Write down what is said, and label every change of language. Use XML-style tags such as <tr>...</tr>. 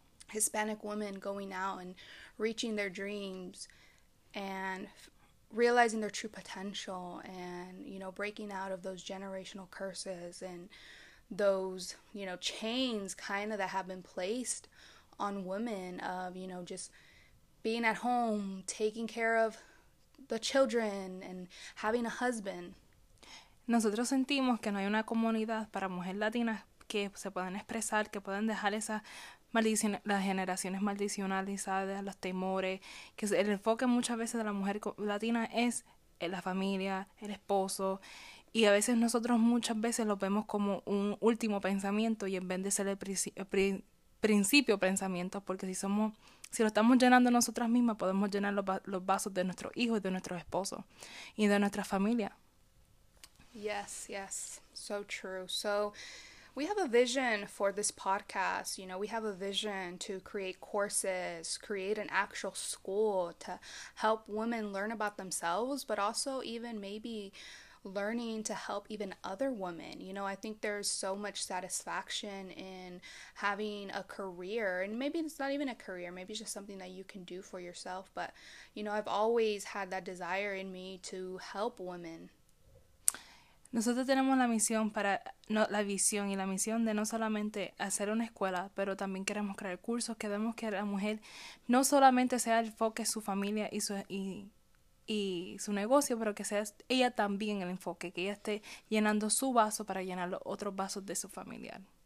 <en>Hispanic women going out and reaching their dreams and realizing their true potential and, you know, breaking out of those generational curses and those, you know, chains kind of that have been placed on women of, you know, just being at home, taking care of the children and having a husband.</en> <es>Nosotros sentimos que no hay una comunidad para mujeres latinas que se puedan expresar, que puedan dejar esas maldiciones, las generaciones maldicionalizadas, los temores, que el enfoque muchas veces de la mujer latina es la familia, el esposo, y a veces nosotros muchas veces lo vemos como un último pensamiento y en vez de ser el principio pensamiento, porque si somos, si lo estamos llenando nosotras mismas, podemos llenar los vasos de nuestros hijos, de nuestros esposos y de nuestra familia.</es> <en>Yes, yes, so true. So we have a vision for this podcast. You know, we have a vision to create courses, create an actual school to help women learn about themselves, but also even maybe learning to help even other women. You know, I think there's so much satisfaction in having a career, and maybe it's not even a career, maybe it's just something that you can do for yourself. But, you know, I've always had that desire in me to help women.</en> <es>Nosotros tenemos la misión para, no, la visión y la misión de no solamente hacer una escuela, pero también queremos crear cursos, queremos que la mujer no solamente sea el foco su familia y su negocio, pero que sea ella también el enfoque, que ella esté llenando su vaso para llenar los otros vasos de su familiar.</es>